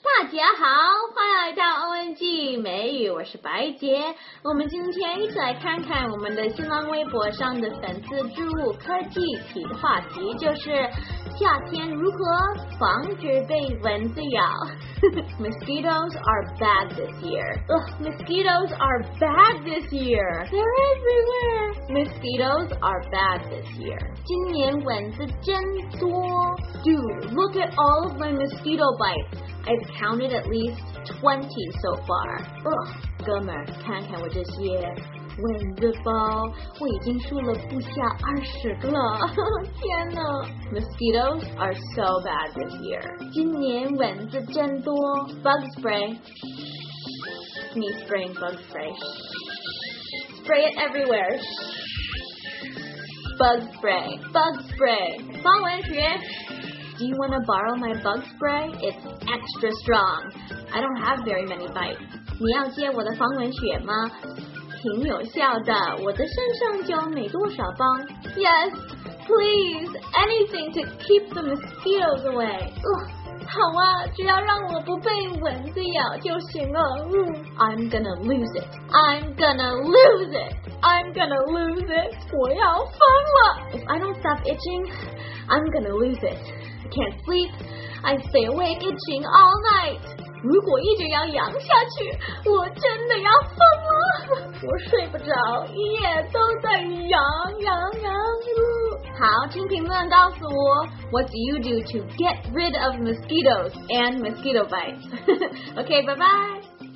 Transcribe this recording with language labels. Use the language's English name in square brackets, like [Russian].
[Chinese] 姐好，欢迎来到 ONG 美语，我是白姐。我们今天一起来看看我们的新浪微博上的粉丝植物科技题的话题，就是夏天如何防止被蚊子咬。 [English] Mosquitoes are bad this year. Mosquitoes are bad this year. They're everywhere. Mosquitoes are bad this year. [Chinese] 今年蚊子真多。 [English] Dude, look at all of my mosquito bites. I've counted at least 20 so far. Ugh, [Chinese] 哥们儿，看看我这些蚊子包，我已经数了不下20个了。天哪。 [English] Mosquitoes are so bad this year. [Chinese] 今年蚊子真多。 [English] Bug spray. Me spraying bug spray. Spray it everywhere. Bug spray. Bug spray. [Chinese] 放蚊子。 [English] Do you want to borrow my bug spray? It's extra strong. I don't have very many bites. [Chinese] 你要借我的防蚊血吗？挺有效的，我的身上就没多少包。 [English] Yes, please, anything to keep the mosquitoes away. [Chinese] 好啊，只要让我不被蚊子咬就行了。 [English] I'm gonna lose it. I'm gonna lose it. I'm gonna lose it. [Chinese] 我要疯了。 [English] If I don't stop itching, I'm gonna lose it. Can't sleep. I stay awake itching all night. [Chinese] 如果一直要痒下去，我真的要疯了。我睡不着，一夜都在痒痒痒。好，请评论告诉我 [English] ，What do you do to get rid of mosquitoes and mosquito bites? Okay, bye bye.